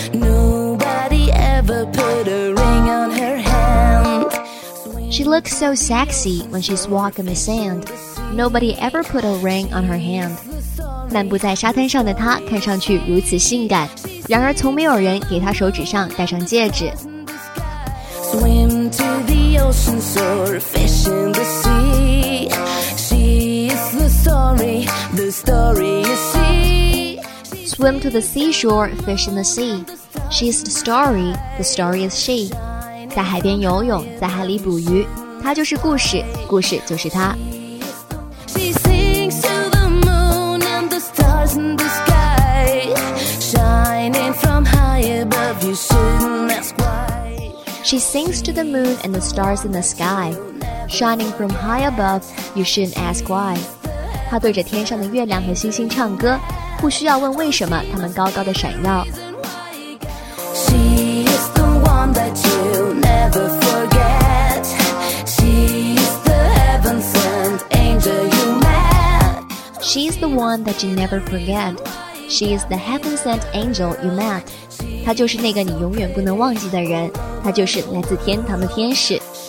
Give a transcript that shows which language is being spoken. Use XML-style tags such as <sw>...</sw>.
<en>Nobody ever put a ring on her hand. She looks so sexy when she's walking the sand. Nobody ever put a ring on her hand.</en> <zh>漫步在沙滩上的她看上去如此性感，然而从没有人给她手指上戴上戒指。</zh> <en>Swim to the ocean, soar, fish in the sea. She is the story, the story is she. Swim to the seashore, fish in the sea. She's the story, the story is she.</en> <zh>在海边游泳，在海里捕鱼，她就是故事，故事就是她。</zh> <en>She sings to the moon and the stars in the sky, shining from high above. You shouldn't ask why. She sings to the moon and the stars in the sky, shining from high above. You shouldn't ask why.</en> <zh>她对着天上的月亮和星星唱歌。不需要问为什么他们高高的闪耀。</zh> <en>She is the one that you never forget. She is the heaven sent angel you met. She is the one that you never forget. She is the heaven sent angel you met.</en> <zh>她就是那个你永远不能忘记的人，她就是来自天堂的天使。</zh>